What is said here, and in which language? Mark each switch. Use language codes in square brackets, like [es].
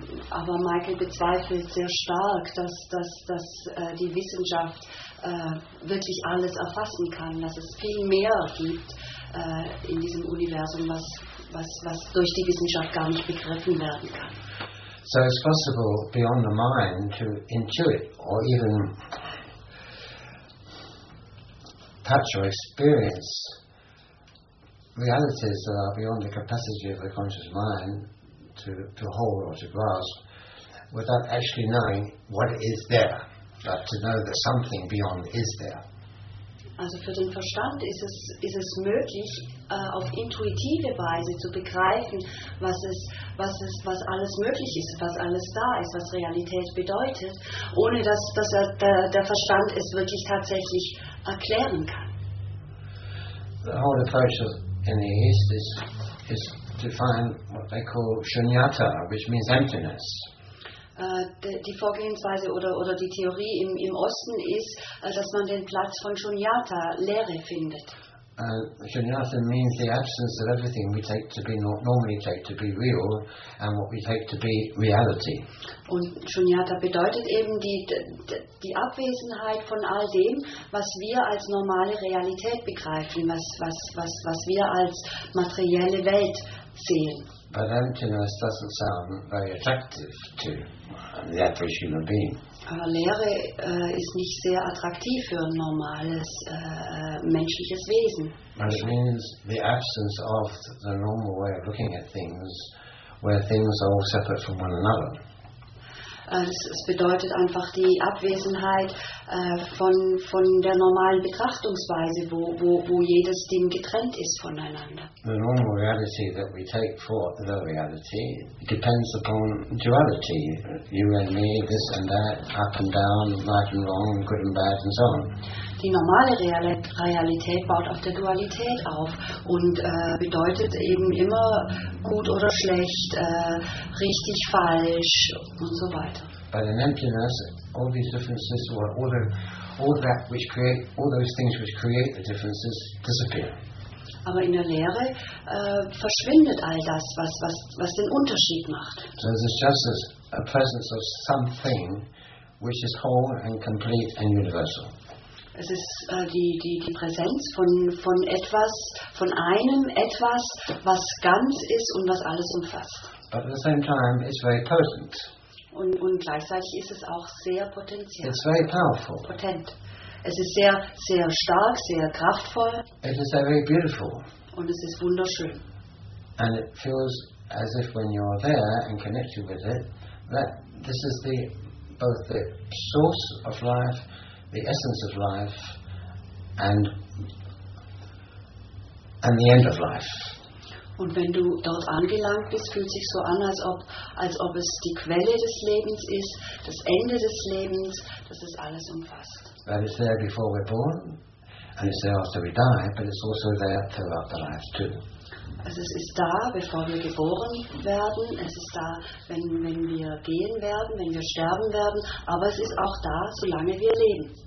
[de] Aber Michael bezweifelt sehr stark, dass die Wissenschaft wirklich alles erfassen kann, dass es viel mehr gibt in diesem Universum, was durch die Wissenschaft gar nicht begriffen werden kann. [en] So it's possible beyond the mind to intuit or even touch or experience realities that are beyond the capacity of the conscious mind to hold or to grasp without actually knowing what is there, but to know that something beyond is there. [de] Also für den Verstand ist es möglich, auf intuitive Weise zu begreifen, was alles möglich ist, was alles da ist, was Realität bedeutet, ohne dass der Verstand es wirklich tatsächlich erklären kann. [en] The whole approach in the East is to find what they call shunyata, which means emptiness. [de] Die Vorgehensweise oder die Theorie im Osten ist, dass man den Platz von Shunyata, Leere, findet. [en] Shunyata means the absence of everything we take to be normally take to be real and what we take to be reality. [de] Und Shunyata bedeutet eben die Abwesenheit von all dem, was wir als normale Realität begreifen, was wir als materielle Welt sehen. [en] But emptiness doesn't sound very attractive to the average human being. [de] Aber Leere ist nicht sehr attraktiv für ein normales menschliches Wesen. [en] But it means the absence of the normal way of looking at things, where things are all separate from one another. [de] Es bedeutet einfach die Abwesenheit von der normalen Betrachtungsweise, wo jedes Ding getrennt ist voneinander. [en] The normal reality that we take for the reality depends upon duality. You and me, this and that, up and down, right and wrong, good and bad and so on. [de] Die normale Realität baut auf der Dualität auf und bedeutet eben immer gut oder schlecht, richtig, falsch und so weiter. [en] By the emptiness, all these differences or all those things which create the differences disappear. [de] Aber in der Leere verschwindet all das, was den Unterschied macht. [en] So it's just a presence of something which is whole and complete and universal. [de] Es ist die Präsenz von etwas, von einem etwas, was ganz ist und was alles umfasst. [en] But at the same time, it's very potent. [de] Und gleichzeitig ist es auch sehr potentiell. [en] It's very powerful. [de] Potent. Es ist sehr, sehr stark, sehr kraftvoll. [en] It is very beautiful. [de] Und es ist wunderschön. [en] And it feels as if when you're there and connected with it, that this is the both the source of life, the essence of life, and the end of life. [de] Und wenn du dort angelangt bist, fühlt sich so an, als ob es die Quelle des Lebens ist, das Ende des Lebens, das es alles umfasst. [en] That is there before we're born, and it's there after we die, but it's also there throughout the life too. [de] Also es ist da, bevor wir geboren werden, es ist da, wenn wir gehen werden, wenn wir sterben werden, aber es ist auch da, solange wir leben.